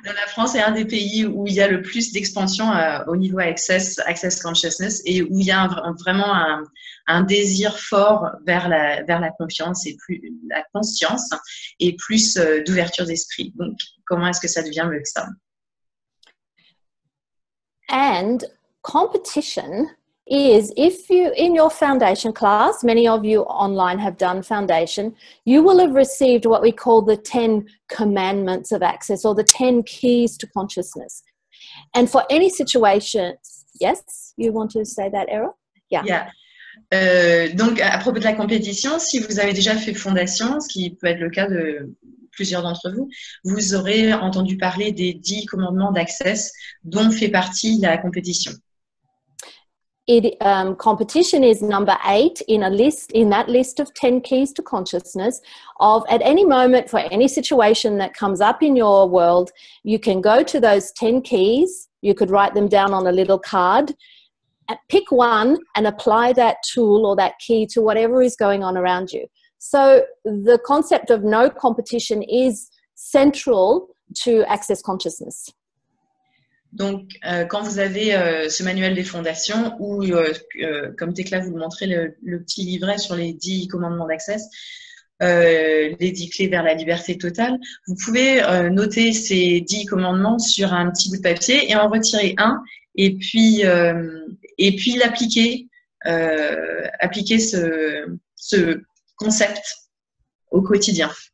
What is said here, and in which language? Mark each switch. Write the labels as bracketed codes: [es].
[fr] La France est un des pays où il y a le plus d'expansion au niveau Access Consciousness et où il y a vraiment un désir fort vers la confiance et plus la conscience et plus d'ouverture d'esprit. Donc, comment est-ce que ça devient mieux que ça? [en] And competition is, if you in your foundation class, many of you online have done foundation, you will have received what we call the 10 commandments of Access or the 10 keys to consciousness. And for any situation, yes, you want to say that, Eryl? Yeah. [fr] Donc à propos de la compétition, si vous avez déjà fait foundation, ce qui peut être le cas de plusieurs d'entre vous, vous aurez entendu parler des 10 commandements d'Access dont fait partie la compétition. [en] Competition is number 8 in that list of 10 keys to consciousness. Of at any moment for any situation that comes up in your world, you can go to those 10 keys. You could write them down on a little card, pick one and apply that tool or that key to whatever is going on around you. So the concept of no competition is central to Access Consciousness. [fr] Donc, quand vous avez ce manuel des fondations ou, comme Tekla vous montrait, le petit livret sur les 10 commandements d'Access, les 10 clés vers la liberté totale, vous pouvez noter ces 10 commandements sur un petit bout de papier et en retirer un et puis l'appliquer, appliquer ce concept au quotidien.